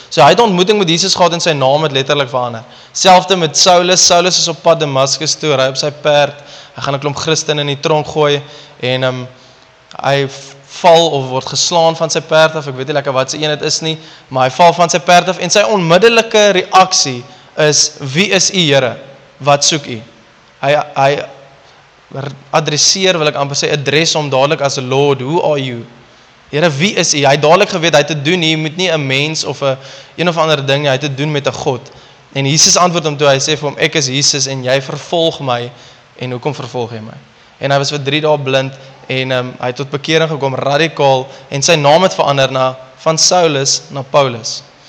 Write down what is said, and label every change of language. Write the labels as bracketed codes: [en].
[af] So hy het ontmoeting met Jesus gehad en sy naam het letterlik verander. Selfde met Saulus is op pad Damascus toe, ry op sy perd, hy gaan 'n klomp Christen in die tronk gooi, en hy val of word geslaan van sy perd af, ek weet nie lekker wat sy een het is nie, maar hy val van sy perd af, en sy onmiddellike reaksie is, wie is U, Here? Wat soek U? Hy adresseer, wil ek amper sê, adres hom dadelik as [en] Lord, who are you? [af] Here, wie is U? Hy het dadelik geweet, hy het te doen, hier moet nie 'n mens of een of ander ding, hy het te doen met 'n God. En Jesus antwoord hom toe, hy sê vir hom, ek is Jesus en jy vervolg my, en hoekom vervolg jy my? En hy was vir 3 dae blind, en hy het tot bekering gekom, radikaal, en sy naam het verander na, van Saulus na Paulus.